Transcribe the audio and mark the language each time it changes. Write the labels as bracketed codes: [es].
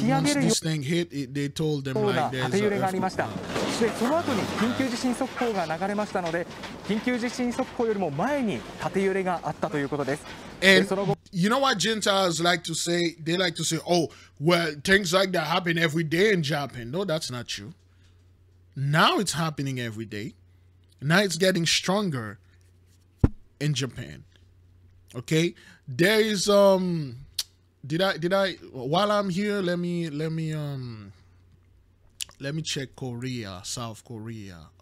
[en] Once this thing hit, they told them like there's an earthquake. [ja] その後に緊急地震速報が流れましたので、緊急地震速報よりも前に縦揺れがあったということです。 [en] And you know what Gentiles like to say? They like to say, oh, well, things like that happen every day in Japan. No, that's not true. Now it's happening every day. Now it's getting stronger in Japan. Okay, there is while I'm here, let me check Korea, South Korea.